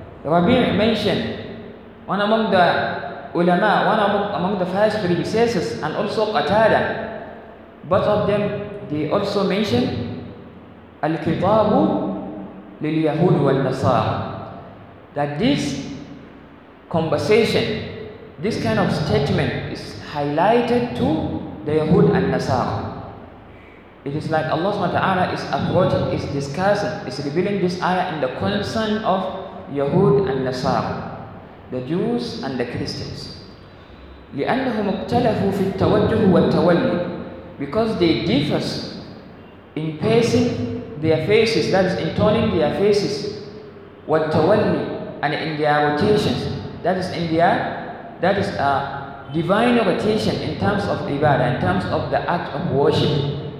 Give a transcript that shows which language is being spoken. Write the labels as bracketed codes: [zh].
[en] Rabi' mentioned, one among the ulama, one among the first predecessors, and also Qatada, both of them, they also mention [ar] Al-Kitabu lil-Yahud wal-Nasara, [en] that this conversation, this kind of statement is highlighted to the Yahud and Nasara. It is like Allah subhanahu wa ta'ala is approaching, is discussing, is revealing this ayah in the concern of Yahud and Nasara, the Jews and the Christians. [ar] لأنهم اختلفوا في التوجه والتولي. [en] Because they differ in pacing their faces, that is in turning their faces, والتولي, and in their rotations, that is in their, that is a divine rotation in terms of ibadah, in terms of the act of worship.